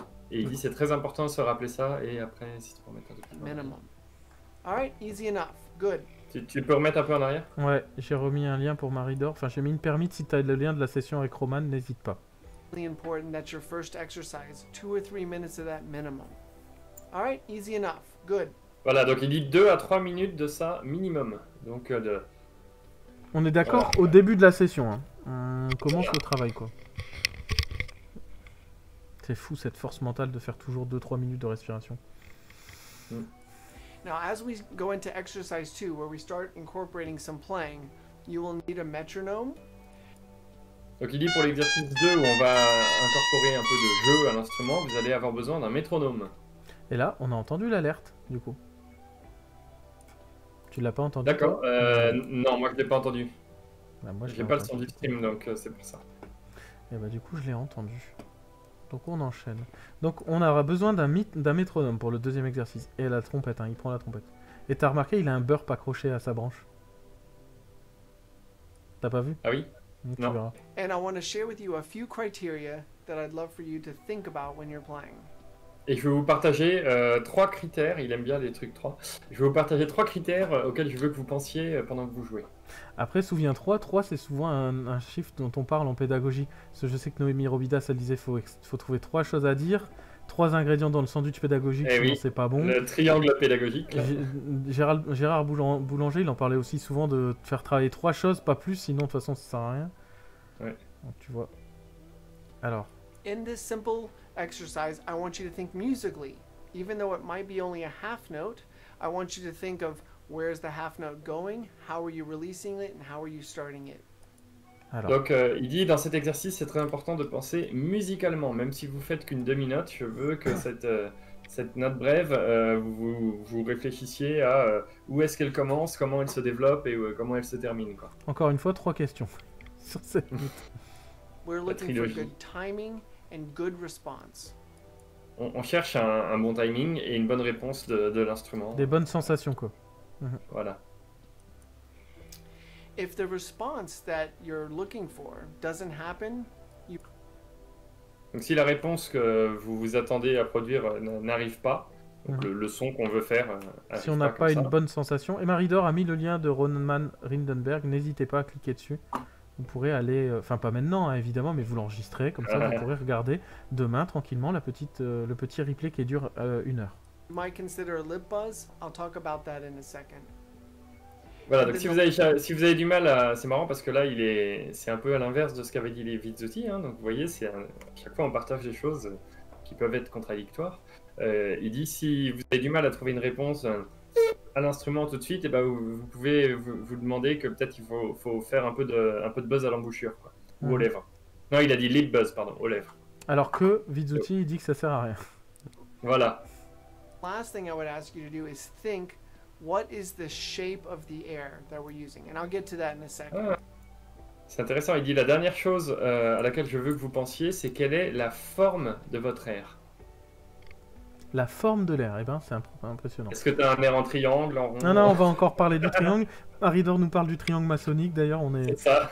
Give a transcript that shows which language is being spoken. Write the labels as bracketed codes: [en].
[fr] Et il dit c'est très important de se rappeler ça, et après, si tu peux remettre un peu plus loin. [en] Minimum. All right, easy enough, good. [fr] Tu peux remettre un peu en arrière? Ouais, j'ai remis un lien pour Maridor. Enfin, j'ai mis une permis, si tu as le lien de la session avec Roman, n'hésite pas. [en] Important that your first exercise 2 or 3 minutes of that minimum. All right, easy enough, good. [fr] Voilà, donc il dit 2 à 3 minutes de ça minimum. Donc de. On est d'accord, voilà. Au début de la session. Hein. On commence le travail, quoi. C'est fou cette force mentale de faire toujours 2-3 minutes de respiration. [en] Now, as we go into exercise 2, where we start incorporating some playing, you will need a metronome. [fr] Donc il dit pour l'exercice 2 où on va incorporer un peu de jeu à l'instrument, vous allez avoir besoin d'un métronome. Et là, on a entendu l'alerte, du coup. Tu l'as pas entendu? D'accord, non, moi je l'ai pas entendu. Bah, moi, je n'ai pas le son du stream, donc c'est pour ça. Et bah du coup, je l'ai entendu. Donc on enchaîne. Donc on aura besoin d'un métronome pour le deuxième exercice. Et la trompette, hein, il prend la trompette. Et t'as remarqué, il a un burp accroché à sa branche. T'as pas vu? Ah oui. [en] And I want to share with you a few criteria that I'd love for you to think about when you're playing. [fr] Et je vais vous partager 3 critères. Il aime bien les trucs 3. Je vais vous partager 3 critères auxquels je veux que vous pensiez pendant que vous jouez. Après, souviens-toi, 3 c'est souvent un chiffre dont on parle en pédagogie. Parce que je sais que Noémie Robidas, elle disait faut trouver 3 choses à dire, 3 ingrédients dans le sandwich pédagogique, et sinon oui, c'est pas bon. Le triangle pédagogique. Gérard Boulanger, il en parlait aussi souvent de faire travailler 3 choses, pas plus, sinon de toute façon ça sert à rien. Ouais. Donc tu vois. Alors. [en] In this simple exercise, I want you to think musically. Even though it might be only a half note, I want you to think of where is the half note going, how are you releasing it, and how are you starting it. [fr] Alors. Donc il dit dans cet exercice, c'est très important de penser musicalement, même si vous faites qu'une demi-note, je veux que cette note brève, vous réfléchissiez à où est-ce qu'elle commence, comment elle se développe et comment elle se termine. Quoi. Encore une fois, 3 questions sur cette note. [en] We're looking for good timing and good response. [fr] On cherche un bon timing et une bonne réponse de l'instrument. Des bonnes sensations, quoi. Voilà. [en] If the response that you're looking for doesn't happen, you... [fr] Donc si la réponse que vous vous attendez à produire n'arrive pas, donc le son qu'on veut faire si on n'a pas une bonne sensation, et Maridor a mis le lien de Roman Rindenberg, n'hésitez pas à cliquer dessus. Vous pourrez aller, enfin pas maintenant hein, évidemment, mais vous l'enregistrez, comme ça vous pourrez regarder demain tranquillement le petit replay qui dure 1 heure. [en] You might consider a lip buzz, I'll talk about that in a second. [fr] Voilà, donc si vous avez du mal, c'est marrant parce que là, c'est un peu à l'inverse de ce qu'avait dit les Vizzotti. Hein, donc vous voyez, à chaque fois, on partage des choses qui peuvent être contradictoires. Il dit, si vous avez du mal à trouver une réponse à l'instrument tout de suite, eh ben, vous pouvez vous demander que peut-être il faut faire un peu de buzz à l'embouchure, quoi, ou aux lèvres. Non, il a dit lip buzz, pardon, aux lèvres. Alors que Vizzotti, il dit que ça sert à rien. Voilà. [en] Last thing I would ask you to do is think. What is the shape of the air that we're using? And I'll get to that in a second. [fr] C'est intéressant, il dit la dernière chose à laquelle je veux que vous pensiez, c'est quelle est la forme de votre air. La forme de l'air, eh ben, c'est impressionnant. Est-ce que t'as un air en triangle, en rond? Non, non, on va encore parler du triangle. Aridor nous parle du triangle maçonnique, d'ailleurs, on est, c'est ça.